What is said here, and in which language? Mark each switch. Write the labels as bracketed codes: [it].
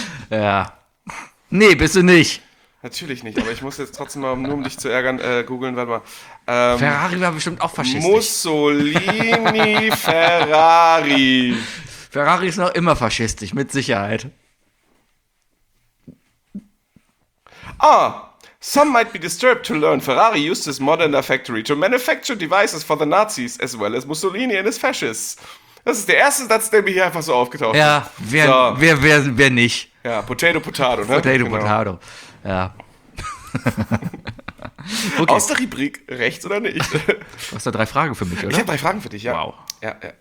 [de] Ja. Nee, bist du nicht. Natürlich nicht, aber ich muss jetzt trotzdem mal, nur um dich zu ärgern, googeln, warte mal. Ferrari war bestimmt auch faschistisch. Mussolini Ferrari. Ferrari ist noch immer faschistisch, mit Sicherheit. [en] Ah, some might be disturbed to learn Ferrari used this modern factory to manufacture devices for the Nazis as well as Mussolini and his fascists. [de] Das ist der erste Satz, der mir hier einfach so aufgetaucht ist. Ja, wer nicht? Ja, Potato Potato, ne? Potato Potato. Ja. Okay. Aus der Rubrik rechts oder nicht? Du hast da drei Fragen für mich, oder? Ich habe drei Fragen für dich, ja. Wow. Ja.